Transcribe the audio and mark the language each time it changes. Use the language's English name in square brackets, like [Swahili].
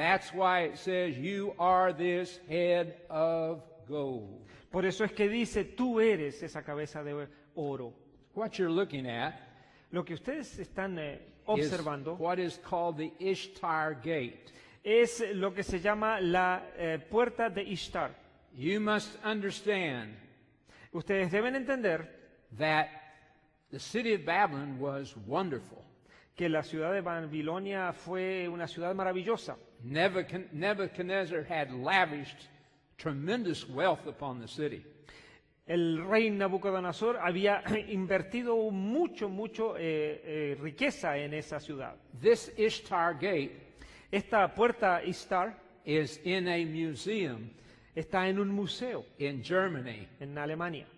[English] That's why it says you are this head of gold. [Spanish] Por eso es que dice tú eres esa cabeza de oro. [English] What you're looking at, [Spanish] lo que ustedes están observando, [English] is what is called the Ishtar Gate. [Spanish] Es lo que se llama la puerta de Ishtar. [English] You must understand. [Spanish] Ustedes deben entender [English] that the city of Babylon was wonderful. [Spanish] Que la ciudad de Babilonia fue una ciudad maravillosa. [English] Nebuchadnezzar had lavished tremendous wealth upon the city. [Spanish] El rey Nabucodonosor había invertido mucho riqueza en esa ciudad. [English] This Ishtar Gate, [Spanish] esta puerta Ishtar, [English] is in a museum, [Spanish] está en un museo [English] in Germany, [Spanish] en Alemania,